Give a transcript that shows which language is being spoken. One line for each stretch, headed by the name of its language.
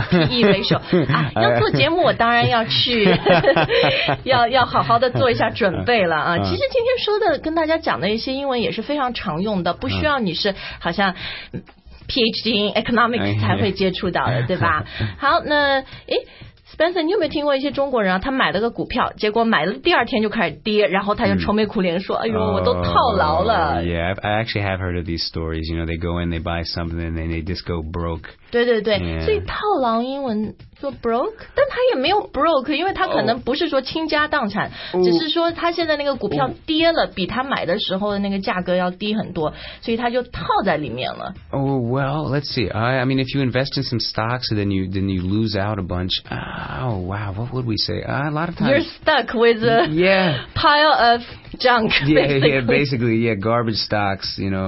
Chinese: PE ratio 要做节目我当然要去 要好好的做一下准备了 其实今天说的跟大家讲的一些英文也是非常常用的 不需要你是好像
English: PhD in economics
Chinese: 才会接触到的 对吧 好那 Spencer 你有没有听过一些中国人啊 他买了个股票 结果买了第二天就开始跌 然后他就愁眉苦脸说 哎呦我都套牢了
English: Yeah, I actually have heard of these stories. You know, they go in, they buy something, and then they just go broke.
Chinese: 对对对
English: yeah.
Chinese: 所以套牢英文 broke 但他也没有 broke 因为他可能不是说倾家荡产 只是说他现在那个股票跌了 比他买的时候的那个价格要低很多 所以他就套在里面了
English: Oh well, let's see I mean if you invest in some stocks then you lose out a bunch Oh wow, what would we say? A lot of times you're stuck with a pile of junk basically garbage stocks you know